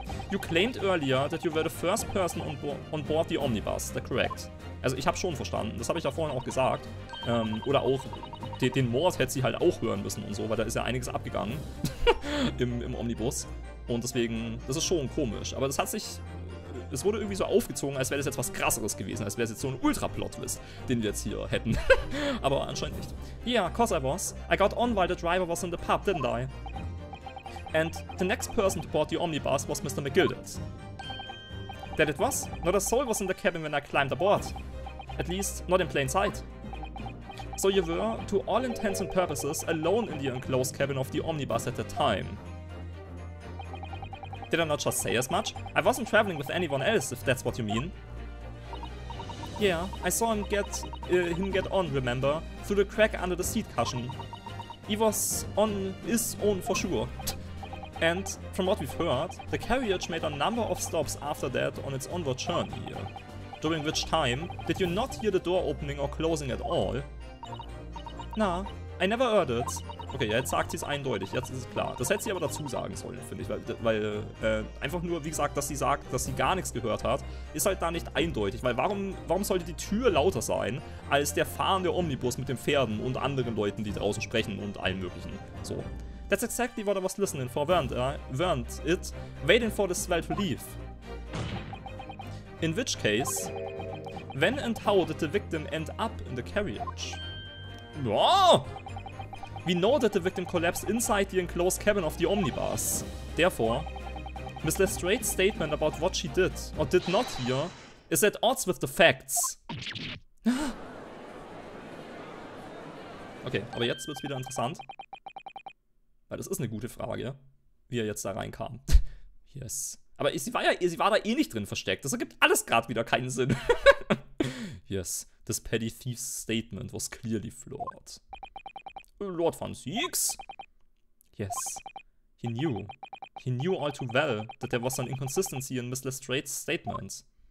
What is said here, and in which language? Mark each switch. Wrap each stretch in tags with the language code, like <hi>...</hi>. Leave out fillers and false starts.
<en>You claimed earlier that you were the first person on board the Omnibus. Is that correct?</en> <de>Also, ich habe schon verstanden. Das habe ich ja vorhin auch gesagt. Oder auch... Den Mord hätte sie halt auch hören müssen und so, weil da ist ja einiges abgegangen im Omnibus. Und deswegen, das ist schon komisch. Aber das hat sich, es wurde irgendwie so aufgezogen, als wäre das jetzt was Krasseres gewesen, als wäre es jetzt so ein Ultra-Plot-Twist, den wir jetzt hier hätten. Aber anscheinend nicht.</de> <en>Yeah, cause I was. I got on while the driver was in the pub, didn't I? And the next person to board the Omnibus was Mr. McGilded. That it was? Not a soul was in the cabin when I climbed aboard. At least, not in plain sight. So you were, to all intents and purposes, alone in the enclosed cabin of the Omnibus at the time. Did I not just say as much? I wasn't traveling with anyone else, if that's what you mean. Yeah, I saw him get on, remember, through the crack under the seat cushion. He was on his own for sure. And from what we've heard, the carriage made a number of stops after that on its onward journey. During which time, did you not hear the door opening or closing at all? Na, I never heard it.</en> <de>Okay, ja, jetzt sagt sie es eindeutig, jetzt ist es klar. Das hätte sie aber dazu sagen sollen, finde ich, weil einfach nur, wie gesagt, dass sie sagt, dass sie gar nichts gehört hat, ist halt da nicht eindeutig, weil warum sollte die Tür lauter sein als der fahrende Omnibus mit den Pferden und anderen Leuten, die draußen sprechen und allen möglichen, so.</de> <en>That's exactly what I was listening for, weren't it? Waiting for the swell to leave. In which case, when and how did the victim end up in the carriage? Oh. We know that the victim collapsed inside the enclosed cabin of the Omnibus. Therefore, Miss Lestrade's statement about what she did or did not hear is at odds with the facts.</en> <de>Okay, aber jetzt wird's wieder interessant. Weil das ist eine gute Frage, wie er jetzt da reinkam. Yes. Aber sie war da eh nicht drin versteckt. Das ergibt alles gerade wieder keinen Sinn.</de> <en>Yes, this petty thief's statement was clearly flawed. Lord von Siegs? Yes, he knew. He knew all too well that there was an inconsistency in Miss Lestrade's statement.</en>